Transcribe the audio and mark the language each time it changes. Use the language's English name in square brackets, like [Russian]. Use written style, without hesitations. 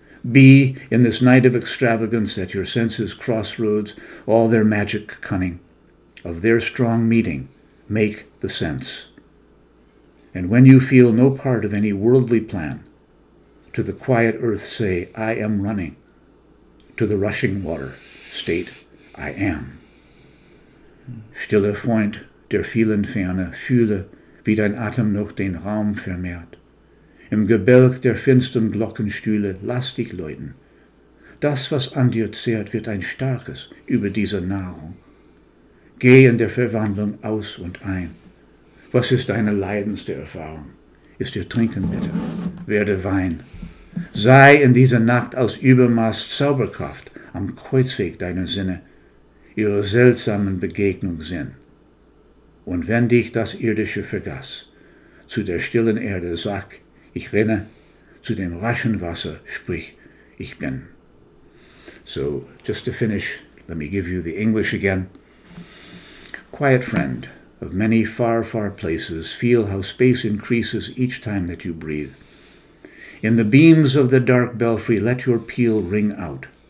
[English] Be in this night of extravagance at your senses' crossroads, all their magic cunning. Of their strong meeting, make the sense. And when you feel no part of any worldly plan, to the quiet earth say, I am running. to the rushing water, state I am. [German] Stille Freund der vielen Ferne, fühle, wie dein Atem noch den Raum vermehrt. Im Gebälk der finstern Glockenstühle, lass dich läuten. Das, was an dir zehrt, wird ein starkes über diese Nahrung. Geh in der Verwandlung aus und ein. Was ist deine leidendste Erfahrung? Ist dir Trinken bitter? Werde Wein. Sei in dieser Nacht aus Übermaß Zauberkraft am Kreuzweg deiner Sinne, ihrer seltsamen Begegnung Sinn. Und wenn dich das Irdische vergaß, zu der stillen Erde sag, ich renne, zu dem raschen Wasser sprich, ich bin. [English] So, just to finish, let me give you the English again. Quiet friend of many far, far places, feel how space increases each time that you breathe. In the beams of the dark belfry, let your peal ring out.